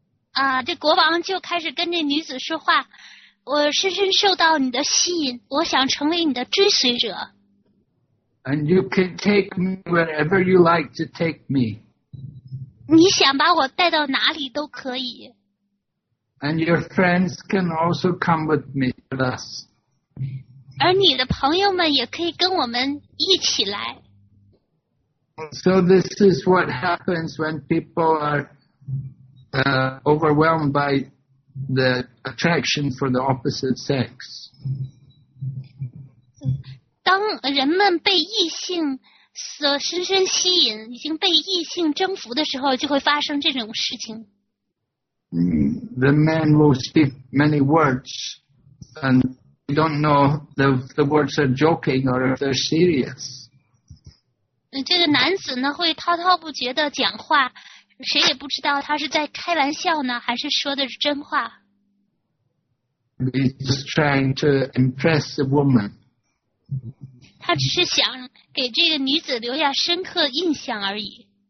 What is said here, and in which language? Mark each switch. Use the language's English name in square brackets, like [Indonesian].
[Chinese] 啊，这国王就开始跟这女子说话。我深深受到你的吸引，我想成为你的追随者。 [English] And you can take me wherever you like to take me. [Chinese] 你想把我带到哪里都可以。 [English] And your friends can also come with me with us. [Chinese] 而你的朋友们也可以跟我们一起来。 [English] So this is what happens when people are overwhelmed by the attraction for the opposite sex. [Chinese] 当人们被异性所深深吸引，已经被异性征服的时候，就会发生这种事情。 [English] The men will speak many words, and we don't know if the words are joking or if they're serious. [Chinese] 这个男子呢会滔滔不绝的讲话，谁也不知道他是在开玩笑呢还是说的是真话。 [English] He's just trying to impress the woman. [Chinese] 他只是想给这个女子留下深刻印象而已。